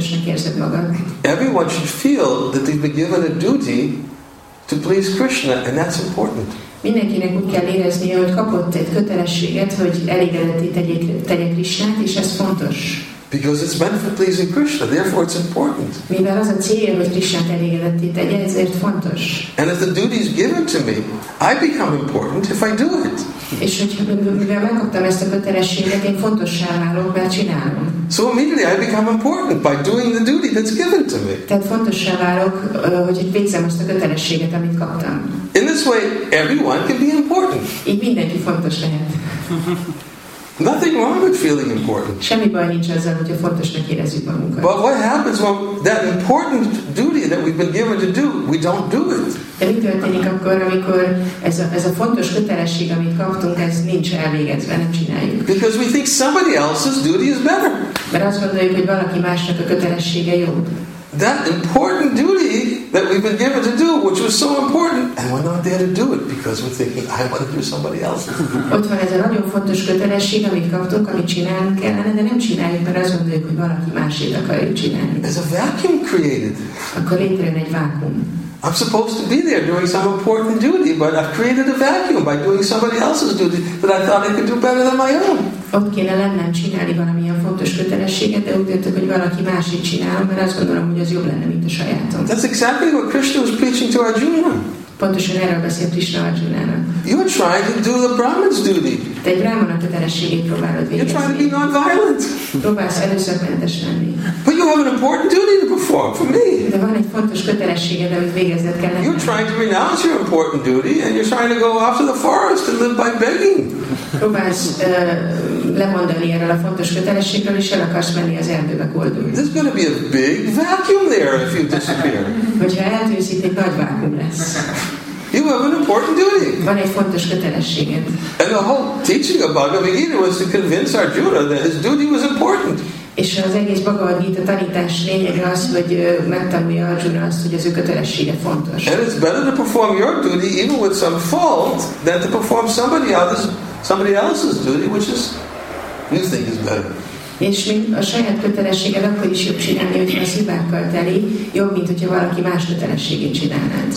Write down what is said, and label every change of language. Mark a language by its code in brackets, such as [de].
[en] Everyone should feel that they've been given a duty to please Krishna, and that's important. [hu] Mindenkinek úgy kell éreznie, hogy kapott egy kötelességet, hogy elégedetté tegye Krishnát, és ez fontos. [en] Because it's meant for pleasing Krishna, therefore it's important. [hu] Mivel az a cél, hogy Krishnát elégedetté tegye, ezért fontos. [en] And if the duty is given to me, I become important if I do it. [hu] És mivel megkaptam ezt a kötelességet, én fontossá válok, mert csinálom. [en] So immediately I become important by doing the duty that's given to me. [hu] Tehát fontossá válok, hogy végzem azt a kötelességet, amit kaptam. [en] In this way, everyone can be important. [hu] Így mindenki fontos lehet. [en] Nothing wrong with feeling important. [hu] Semmi baj nincs azzal, hogyha fontosnak érezzük magunkat. [en] But what happens when that important duty that we've been given to do, we don't do it? [hu] De mi történik akkor, amikor ez a fontos kötelesség, amit kaptunk, ez nincs elvégezve, nem csináljuk? [en] Because we think somebody else's duty is better. [hu] Mert azt gondoljuk, hogy valaki másnak a kötelessége jobb. [en] That important duty that we've been given to do, which was so important, and we're not there to do it because we're thinking, I want to do somebody else's. [hu] Ott van ez a nagyon fontos kötelesség, amit kaptunk, amit csinálunk kellene, de nem csináljuk, mert azt gondoljuk, hogy valaki másét akarjuk csinálni. [en] There's a vacuum created. [hu] Akkor létrejön egy vákum. [en] I'm supposed to be there doing some important duty, but I've created a vacuum by doing somebody else's duty that I thought I could do better than my own. [hu] Ott kéne lennem csinálni valamilyen fontos kötelességet, de úgy döntök, hogy valaki másit csinálom, mert azt gondolom, hogy az jobb lenne, mint a sajátom. [en] That's exactly what Krishna was preaching to Arjuna. [hu] Pontosan erről beszélt Krishna Arjunának. [en] You're trying to do the Brahman's duty. [hu] Te egy Brahmana kötelességét próbálod végezni. [en] You're trying to be non-violent. [hu] Próbálsz előszörmentes lenni. [en] But you have an important duty to perform for me. [hu] De van egy fontos kötelességed, amit végezned kell lenni. [en] You're trying to renounce your important duty and you're trying to go off to the forest and live by begging. [hu] Próbálsz lemondani erről a fontos kötelességről, és el akarsz menni az erdőbe koldulni. [en] There's going to be a big vacuum there if you disappear. [hu] Hogyha eltűnsz, itt egy nagy vákum lesz. [en] You have an important duty. [hu] Van egy fontos kötelességed. [en] And the whole teaching of Bhagavad Gita was to convince Arjuna that his duty was important. [hu] És az egész Bhagavad Gita tanítás lényege az, hogy megtanulja Arjuna azt, hogy az ő kötelessége fontos. [en] And it's better to perform your duty even with some fault than to perform somebody else's duty, which is you think is better. [hu] És mint a saját kötelességed akkor is jobb csinálni, hogyha a hibákkal teli, jobb, mint hogyha valaki más kötelességét csinálnád.